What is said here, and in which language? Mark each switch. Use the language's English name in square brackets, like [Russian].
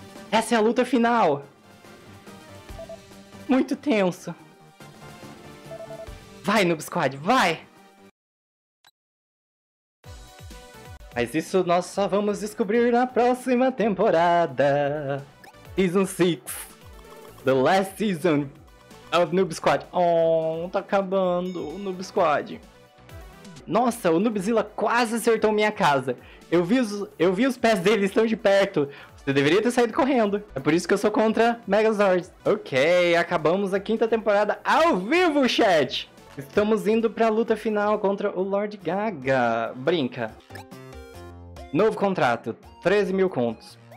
[Portuguese] Essa é a luta final. Muito tenso. Vai, Noob Squad, vai! Mas isso nós só vamos descobrir na próxima temporada. [English] Season 6. The last season of Noob Squad. [Portuguese] Oh, tá acabando o Noob Squad. Nossa, o Noobzilla quase acertou minha casa. Eu vi os pés dele estão de perto. Você deveria ter saído correndo. É por isso que eu sou contra Megazords. Ok, acabamos a quinta temporada ao vivo, chat! Estamos indo pra luta final contra o Lorde Gaga. Brinca. Novo contrato. 13 mil contos.